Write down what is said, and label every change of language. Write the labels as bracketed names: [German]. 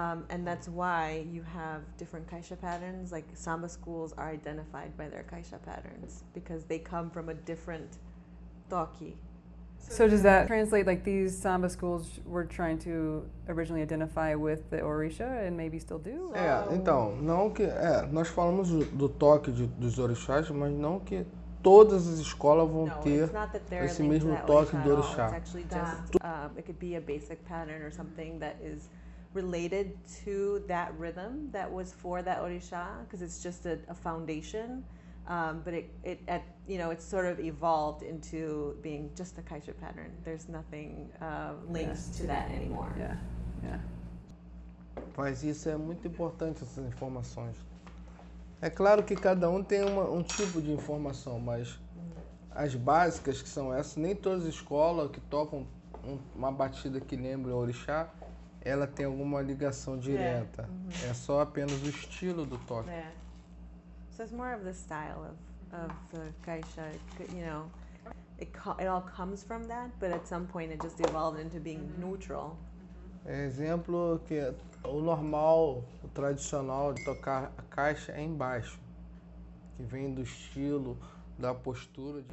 [English] And that's why you have different caixa patterns. Like samba schools are identified by their caixa patterns because they come from a different toque. So does that translate like these samba schools were trying to originally identify with the orisha and maybe still do? [Portuguese] Então, não que... nós falamos do toque dos orixás, mas não que todas as escolas vão ter esse mesmo toque do orixá. [English] It could be a basic pattern or something that is related to that rhythm that was for that orisha, because it's just a foundation. But it's sort of evolved into being just a kaisha pattern. There's nothing linked to that anymore. Yeah. [Portuguese] Mas isso é muito importante, essas informações. É claro que cada um tem um tipo de informação, mas as básicas que são essas, nem todas as escolas que tocam uma batida que lembra o orixá, ela tem alguma ligação direta. É só apenas o estilo do toque. [English] So it's more of the style of the kaisha, you know. It all comes from that, but at some point it just evolved into being neutral. [Portuguese] Exemplo que o normal, o tradicional de tocar a caixa é embaixo, que vem do estilo, da postura.